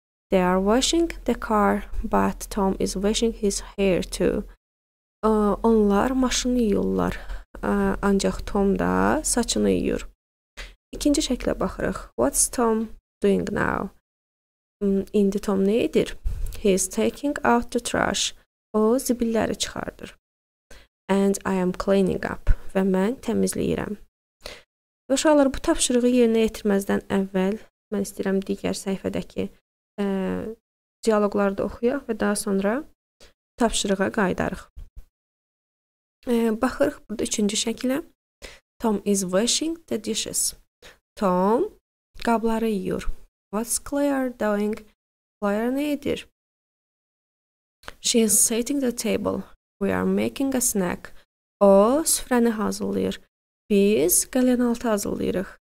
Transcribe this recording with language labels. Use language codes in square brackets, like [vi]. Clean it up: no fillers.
[en] They are washing the car, but Tom is washing his hair too. [az] Onlar maşını yuyurlar. Ancaq Tom da saçını yuyur. İkinci şəklə baxırıq. [en] What's Tom doing now? [az] İndi Tom ne edir? [en] He is taking out the trash. [az] O zibilləri çıxardır. [en] And I am cleaning up. [az] Və mən təmizləyirəm. Uşaqlar, bu tapşırığı yerinə yetirməzdən əvvəl mən istəyirəm digər səhifədəki diyaloqları da oxuyaq və daha sonra tapşırığa qayıdarıq. Baxırıq burada üçüncü şəkilə. [en] Tom is washing the dishes. [az] Tom qabları yiyor. [en] What's Claire doing? [az] Claire nə edir? [en] She is setting the table. We are making a snack. [az] O süfrəni hazırlayır. Biz qəlyanaltı hazırlayırıq.